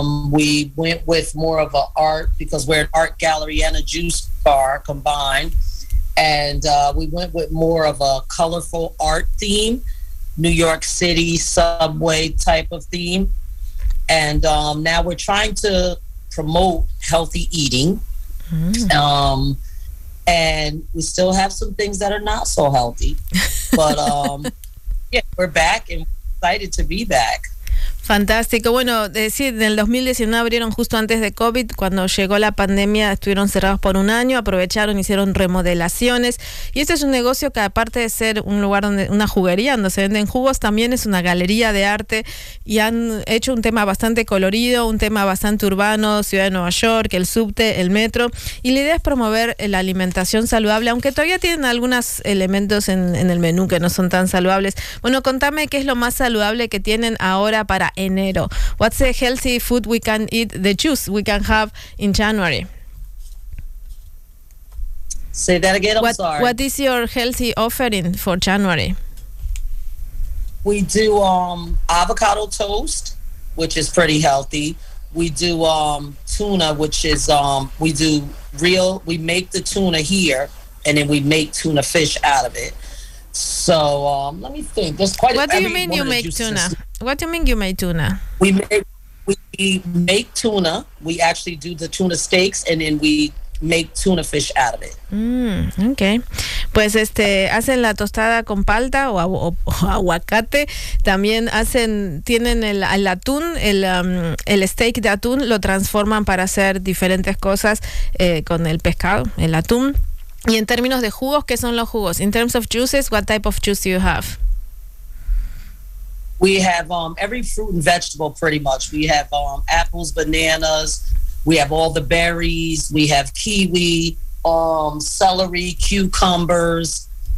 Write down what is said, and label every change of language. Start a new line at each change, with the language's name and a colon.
English: We went with more of an art, because we're an art gallery and a juice bar combined, and we went with more of a colorful art theme, New York City subway type of theme, and now we're trying to promote healthy eating. And we still have some things that are not so healthy, but yeah, we're back and excited to be back.
Spanish: Fantástico. Bueno, sí, en el 2019 abrieron justo antes de COVID. Cuando llegó la pandemia, estuvieron cerrados por un año, aprovecharon, hicieron remodelaciones. Y este es un negocio que, aparte de ser un lugar donde, una juguería donde se venden jugos, también es una galería de arte. Y han hecho un tema bastante colorido, un tema bastante urbano, Ciudad de Nueva York, el subte, el metro. Y la idea es promover la alimentación saludable, aunque todavía tienen algunos elementos en el menú que no son tan saludables. Bueno, contame qué es lo más saludable que tienen ahora para enero.
English: What's the healthy food we can eat, the juice we can have in January? Say that again, I'm sorry. What is your healthy offering for January? We do avocado toast, which is pretty healthy. We do tuna, which is, we make the tuna here, and then we make tuna fish out of it. So let me think. There's quite. What do you mean you make tuna? What do you mean you make tuna? We make tuna. We actually do the tuna steaks, and then we make tuna fish out of it. Okay.
Spanish: Pues hacen la tostada con palta o aguacate. También tienen el atún, el steak de atún, lo transforman para hacer diferentes cosas con el pescado, el atún. Y en términos de jugos, ¿qué son los jugos?
English: In terms of juices, what type of juice do you have? We have every fruit and vegetable, pretty much. We have apples, bananas. We have all the berries. We have kiwi, celery, cucumbers.